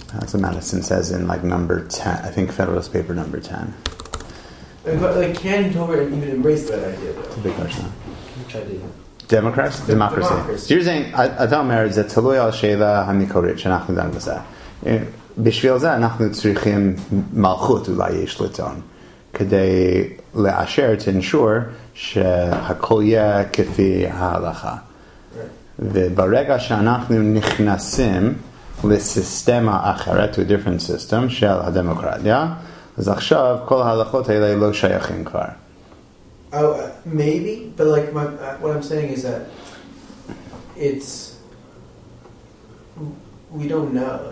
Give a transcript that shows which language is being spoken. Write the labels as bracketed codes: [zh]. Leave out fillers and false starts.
[en] That's what Madison says in, like, number 10. I think Federalist Paper number 10. But, like, can Torah even embrace that idea, though? It's a big question. Which idea? Democracy. So you're saying, [he] Adal Meir, זה תלוי על שאלה המקורית שאנחנו דנו בזה. בשביל זה אנחנו צריכים מלכות אולי יש לטעון, כדי לאשר, [en] to ensure, [he] שהכל יהיה כפי ההלכה. וברגע שאנחנו נכנסים לסיסטמה אחרת, [en] to a different system, [he] של הדמוקרטיה, אז עכשיו כל ההלכות האלה לא שייכים כבר. [en] Maybe, but like my, what I'm saying is that it's, we don't know.